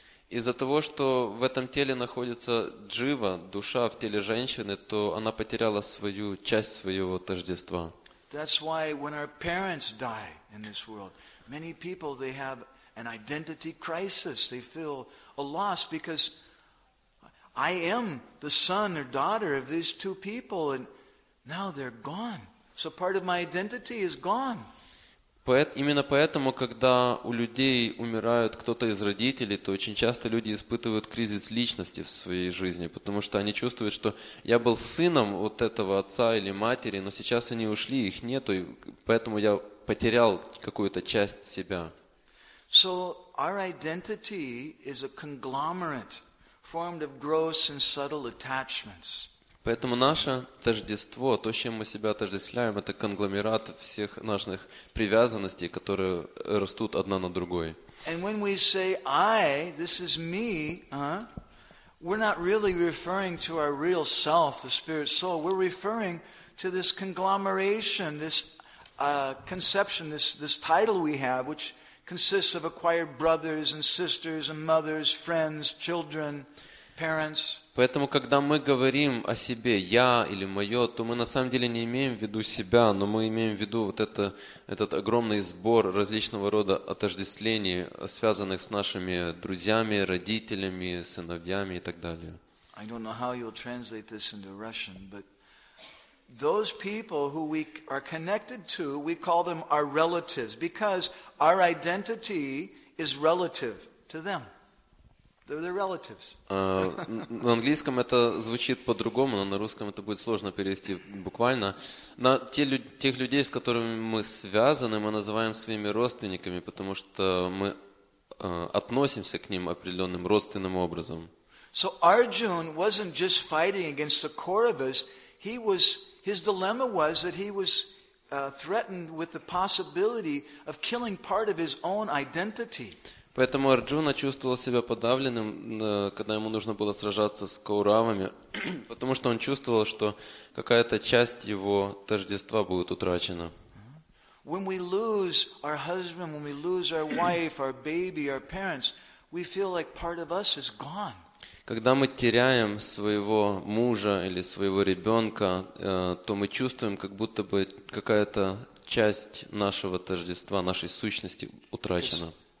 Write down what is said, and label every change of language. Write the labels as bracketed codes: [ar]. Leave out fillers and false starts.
[ru] Из-за того, что в этом теле находится джива, душа в теле женщины, то она потеряла свою часть своего тождества. [en] That's why when our parents die in this world, many people, they have an identity crisis. They feel a loss because I am the son or daughter of these two people and now they're gone. So part of my identity is gone. [ru] Именно поэтому, когда у людей умирают кто-то из родителей, то очень часто люди испытывают кризис личности в своей жизни, потому что они чувствуют, что я был сыном вот этого отца или матери, но сейчас они ушли, их нету, и поэтому я потерял какую-то часть себя. [en] So our identity is a conglomerate formed of gross and subtle attachments. [ru] Поэтому наше тождество, то, чем мы себя отождествляем, это конгломерат всех наших привязанностей, которые растут одна на другой. [en] And when we say I, this is me, we're not really referring to our real self, the spirit soul. We're referring to this conglomeration, this conception, this title we have, which consists of acquired brothers and sisters and mothers, friends, children, parents. [ru] Поэтому когда мы говорим о себе я или моё, то мы на самом деле не имеем в виду себя, но мы имеем в виду вот это этот огромный сбор различного рода отождествлений, связанных с нашими друзьями, родителями, сыновьями и так далее. [en] I don't know how you'll translate this into Russian, but those people who we are connected to, we call them our relatives because our identity is relative to them. They're their relatives. [ru] На английском это звучит по-другому, но на русском это будет сложно перевести буквально. На тех людей, с которыми мы связаны, мы называем своими родственниками, потому что мы относимся к ним определенным родственным образом. [en] So Arjun wasn't just fighting against the Kauravas, he was his dilemma was that he was threatened with the possibility of killing part of his own identity. [ru] Поэтому Арджуна чувствовал себя подавленным, когда ему нужно было сражаться с Кауравами, потому что он чувствовал, что какая-то часть его тождества будет утрачена. [en] When we lose our husband, when we lose our wife, our baby, our parents, we feel like part of us is gone. [ru] Когда мы теряем своего мужа или своего ребенка, то мы чувствуем, как будто бы какая-то часть нашего тождества, нашей сущности утрачена.